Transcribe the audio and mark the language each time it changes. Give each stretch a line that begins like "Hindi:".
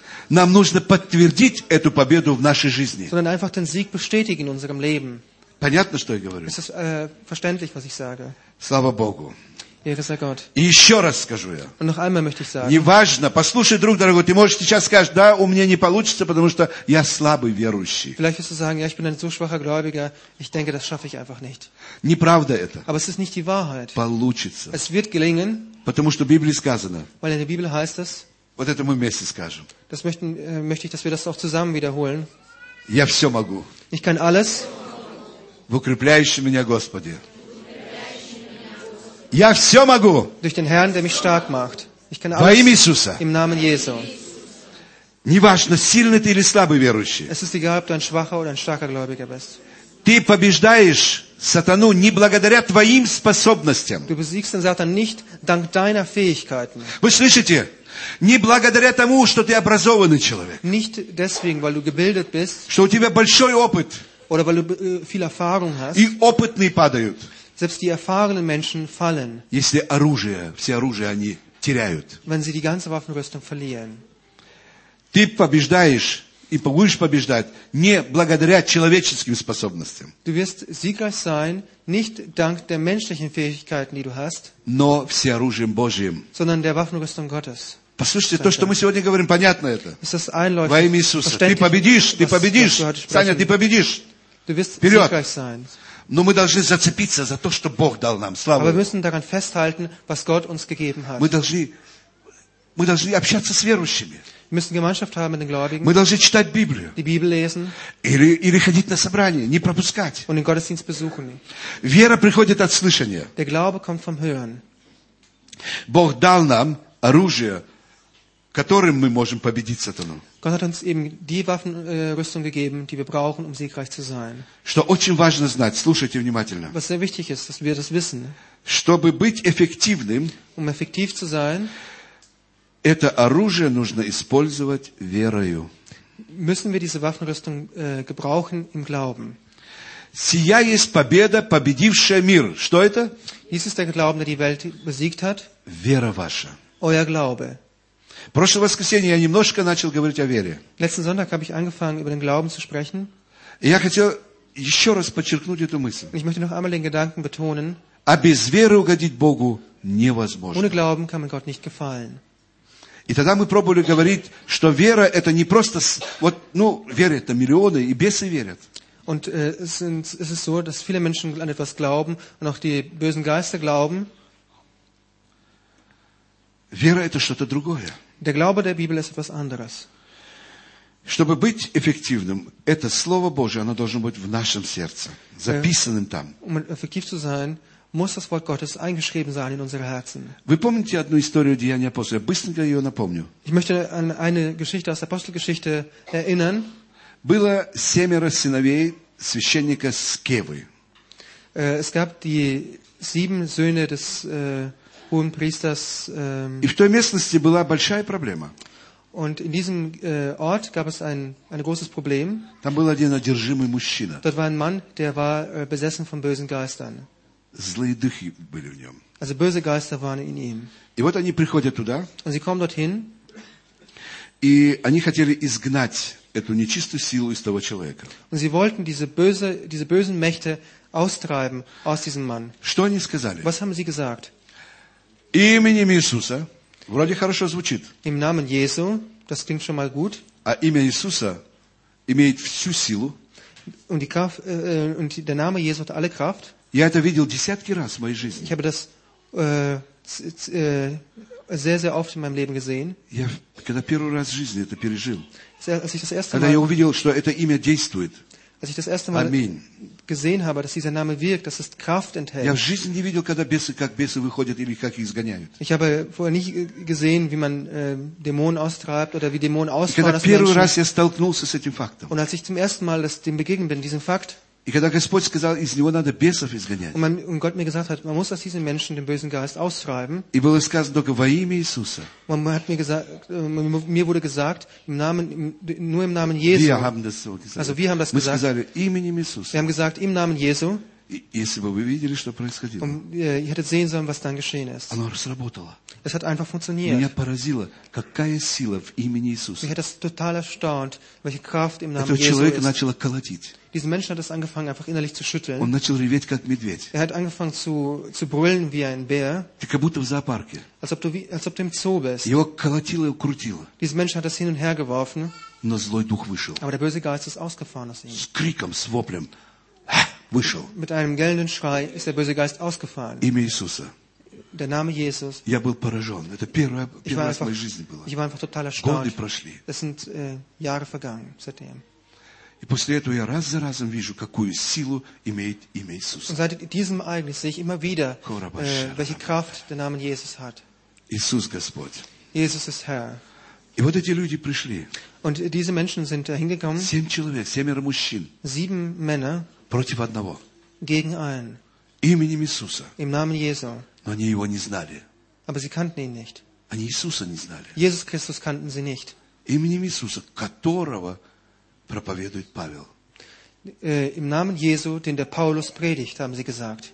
Russian: Нам нужно подтвердить эту победу в нашей жизни.
German: Sondern einfach den Sieg bestätigen in unserem Leben.
Russian: Понятно, что я говорю?
German: Ist das verständlich, was ich sage?
Russian: Слава Богу.
German: Ehre sei Gott.
Russian: И еще раз скажу я.
German: Und noch einmal möchte ich sagen.
Russian: Неважно, послушай, друг дорогой, ты можешь сейчас сказать: да, у меня не получится, потому что я слабый верующий.
German: Vielleicht wirst du sagen: ja, ich bin ein so schwacher Gläubiger, ich denke, das schaffe ich einfach nicht.
Russian: Неправда это.
German: Aber es ist nicht die Wahrheit.
Russian: Получится.
German: Es wird gelingen.
Russian: Потому что в Библии сказано.
German: Weil in der Bibel heißt es.
Russian: Вот это мы вместе скажем.
German: Das möchte ich, dass wir das auch zusammen wiederholen.
Russian: Я все могу.
German: Ich kann alles.
Russian: В укрепляющем меня Господе. Я все могу.
German: Durch den Herrn, der mich stark macht. Ich kann alles.
Russian: Во имя Иисуса.
German: Im Namen Jesu.
Russian: Неважно, сильный ты или слабый верующий.
German: Es ist egal, ob du ein schwacher oder ein starker Gläubiger bist.
Russian: Ты побеждаешь сатану не благодаря твоим способностям.
German: Du besiegst den Satan nicht dank deiner Fähigkeiten.
Russian: Вы слышите? Не благодаря тому, что ты образованный человек.
German: Nicht deswegen, weil du gebildet bist.
Russian: Что у тебя большой опыт.
German: Oder weil du viel Erfahrung hast.
Russian: И опытные падают.
German: Selbst die erfahrenen Menschen fallen.
Russian: Если оружие, все оружие они теряют.
German: Wenn sie die ganze Waffenrüstung verlieren.
Russian: Ты побеждаешь и будешь побеждать не благодаря человеческим способностям.
German: Du wirst siegreich sein, nicht dank der menschlichen Fähigkeiten, die du hast,
Russian: но всеоружием Божьим.
German: Sondern der Waffenrüstung Gottes.
Russian: Послушайте, то, что мы сегодня говорим, понятно это.
German: Ist das einleuchtend?
Russian: Во имя Иисуса. Ты победишь, ты победишь. Саня, ты победишь.
German: Du wirst siegreich sein.
Russian: Но мы должны зацепиться за то, что Бог дал нам. Слава Богу.
German: Aber wir müssen daran festhalten, was Gott uns gegeben hat.
Russian: Мы должны общаться с верующими.
German: Wir müssen Gemeinschaft haben mit den Gläubigen.
Russian: Мы должны читать Библию.
German: Die Bibel lesen.
Russian: Или ходить на собрание, не пропускать.
German: Und den Gottesdienst besuchen.
Russian: Вера приходит от слышания.
German: Der Glaube kommt vom Hören.
Russian: Бог дал нам оружие, которым мы можем победить сатану.
German: Gott hat uns eben die Waffenrüstung gegeben, die wir brauchen, um siegreich zu sein.
Russian: Что очень важно знать, слушайте внимательно.
German: Was sehr wichtig ist, dass wir das wissen.
Russian: Чтобы быть эффективным,
German: um effektiv zu sein,
Russian: это оружие нужно использовать верою.
German: Müssen wir diese Waffenrüstung gebrauchen im Glauben?
Russian: Сия есть победа, победившая мир. Что это?
German: Dies ist der Glaube, der die Welt besiegt hat.
Russian: Вера ваша.
German: Euer Glaube.
Russian: Прошлое воскресенье я немножко начал говорить о вере.
German: Letzten Sonntag habe ich angefangen, über den Glauben zu sprechen.
Russian: Я хотел еще раз подчеркнуть эту мысль.
German: Ich möchte noch einmal den Gedanken betonen.
Russian: А без веры угодить Богу невозможно.
German: Ohne Glauben kann man Gott nicht gefallen.
Russian: И тогда мы пробовали говорить, что вера это не просто вот, ну, вера это миллионы и бесы верят.
German: Und es ist so, dass viele Menschen an etwas glauben und auch die bösen Geister glauben.
Russian: Вера это что-то другое.
German: Der Glaube der Bibel ist etwas anderes.
Russian: Чтобы быть эффективным, это слово Божие, оно должно быть в нашем сердце, записанным там.
German: Um effektiv zu sein, muss das Wort Gottes eingeschrieben sein in unsere Herzen.
Russian: Вы помните одну историю Деяния апостолов? Я быстренько ее напомню.
German: Ich möchte an eine Geschichte aus der Apostelgeschichte erinnern.
Russian: Было семеро сыновей священника Скевы.
German: Es gab die sieben Söhne des hohen Priesters.
Russian: И в той местности была большая проблема.
German: Und in diesem Ort gab es ein großes Problem.
Russian: Там был один одержимый мужчина.
German: Dort war ein Mann, der war besessen von bösen Geistern.
Russian: Злые духи были в нем.
German: Also böse Geister waren in ihm.
Russian: И вот они приходят туда.
German: Und sie kommen dorthin.
Russian: И они хотели изгнать эту нечистую силу из того человека.
German: Und sie wollten diese bösen Mächte austreiben aus diesem Mann.
Russian: Что они сказали?
German: Was haben sie gesagt?
Russian: Именем Иисуса. Вроде хорошо звучит.
German: Im Namen Jesu. Das klingt schon mal gut.
Russian: А имя Иисуса имеет всю силу.
German: Und die Kraft, und der Name Jesu hat alle Kraft.
Russian: Я это видел десятки раз в моей жизни.
German: Ich habe das sehr, sehr oft in meinem Leben gesehen.
Russian: Я когда первый раз в жизни это пережил.
German: Als ich das erste
Russian: когда
German: Mal,
Russian: я увидел, что это имя действует.
German: Als ich das erste Mal gesehen habe, dass dieser Name wirkt, dass es Kraft enthält.
Russian: Я в жизни не видел, когда бесы, как бесы выходят или как их изгоняют.
German: Ich habe vorher nicht gesehen, wie man Dämonen austreibt oder wie Dämonen ausfahren.
Russian: Когда первый раз я столкнулся с этим фактом.
German: Und als ich zum ersten Mal dem begegnet bin, diesem Fakt.
Russian: И когда Господь сказал, из него надо бесов изгонять.
German: Und Gott mir gesagt hat, man muss aus diesen Menschen den bösen Geist austreiben.
Russian: И было сказано только во имя Иисуса.
German: Man hat mir gesagt, mir wurde gesagt, nur im Namen Jesu. Wir haben das so gesagt. Also wir haben das
Russian: Мы
German: gesagt.
Russian: Сказали, именем Иисуса.
German: Wir haben gesagt, im Namen Jesu.
Russian: И, если бы вы видели, что происходило.
German: Und ihr hättet sehen sollen, was dann geschehen ist.
Russian: Оно сработало.
German: Es hat einfach funktioniert.
Russian: Меня поразило, какая сила в имени Иисуса.
German: Mich hat das total erstaunt, welche Kraft im Namen Jesu ist.
Russian: Этого человека начало колотить.
German: Diesen Menschen hat es angefangen, einfach innerlich zu schütteln.
Russian: Он начал реветь, как медведь.
German: Er hat angefangen zu brüllen wie ein Bär.
Russian: Ты как будто в зоопарке.
German: Als ob du im Zoo bist.
Russian: Его колотило и крутило.
German: Diesen Menschen hat es hin und her geworfen.
Russian: Но злой дух вышел.
German: Aber der böse Geist ist ausgefahren aus ihm.
Russian: С криком, с воплем. Вышел.
German: Mit einem gellenden Schrei ist der böse Geist ausgefahren.
Russian: Имя Иисуса.
German: Der Name Jesus.
Russian: Я был поражен. Это первый раз в моей жизни было.
German: Ich war einfach total erstaunt.
Russian: Годы прошли.
German: Es sind Jahre vergangen seitdem.
Russian: И после этого я раз за разом вижу, какую силу имеет имя Иисуса.
German: Und seit diesem Ereignis sehe ich immer wieder, welche Kraft der Name Jesus hat.
Russian: Иисус Господь.
German: Jesus ist Herr.
Russian: И вот эти люди пришли.
German: Und diese Menschen sind hingekommen.
Russian: Семь человек, семеро мужчин.
German: Sieben Männer.
Russian: Против одного.
German: Gegen einen.
Russian: Именем Иисуса.
German: Im Namen Jesu.
Russian: Но они его не знали.
German: Aber sie kannten ihn nicht.
Russian: Они Иисуса не знали.
German: Jesus Christus kannten sie nicht.
Russian: Именем Иисуса, которого проповедует Павел.
German: Im Namen Jesu, den der Paulus predigt, haben sie gesagt.